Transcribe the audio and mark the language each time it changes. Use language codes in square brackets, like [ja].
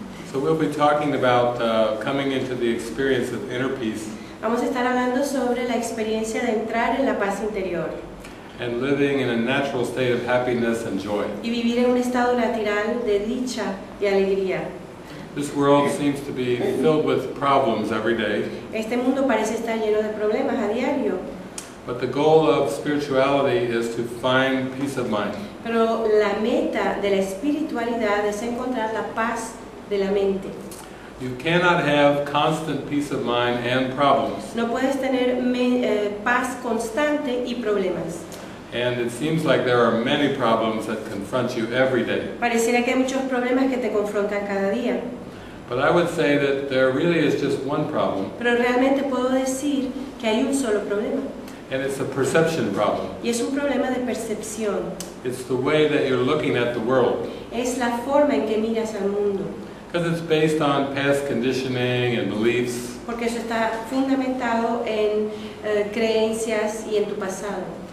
[en] So we'll be talking about coming into the experience of inner peace. [es] Vamos a estar hablando sobre la experiencia de entrar en la paz interior. [en] And living in a natural state of happiness and joy. [es] Y vivir en un estado natural de dicha y alegría. [en] This world seems to be filled with problems every day. [es] Este mundo parece estar lleno de problemas a diario. [en] But the goal of spirituality is to find peace of mind. [es] Pero la meta de la espiritualidad es encontrar la paz de la mente. [en] You cannot have constant peace of mind and problems. [es] No puedes tener paz constante y problemas. [en] And it seems like there are many problems that confront you every day. [es] Pareciera que hay muchos problemas que te confrontan cada día. [en] But I would say that there really is just one problem. [es] Pero realmente puedo decir que hay un solo problema. [en] And it's a perception problem. [es] Y es un problema de percepción. [en] It's the way that you're looking at the world. [es] Es la forma en que miras al mundo. [en] Because it's based on past conditioning and beliefs. [es] Porque eso está fundamentado en creencias y en tu pasado.